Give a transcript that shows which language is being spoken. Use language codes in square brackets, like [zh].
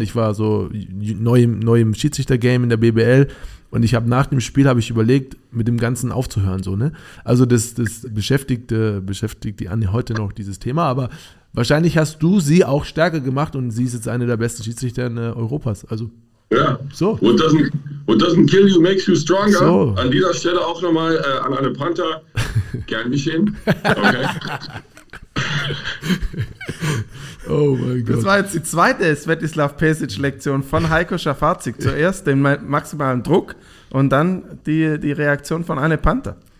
[de] Ich war so neu im Schiedsrichter-Game in der BBL und ich habe nach dem Spiel habe ich überlegt, mit dem Ganzen aufzuhören. So, ne? Also das beschäftigt die Anne heute noch, dieses Thema, aber wahrscheinlich hast du sie auch stärker gemacht und sie ist jetzt eine der besten Schiedsrichter Europas. Also, ja, so. [en] What doesn't kill you makes you stronger. [de] So. An dieser Stelle auch nochmal an Anne Panther. Gern geschehen. Oh mein Gott. Das war jetzt die zweite Svetislav Pesic-Lektion von Heiko Schafazik. Zuerst den maximalen Druck und dann die Reaktion von Anne Panther.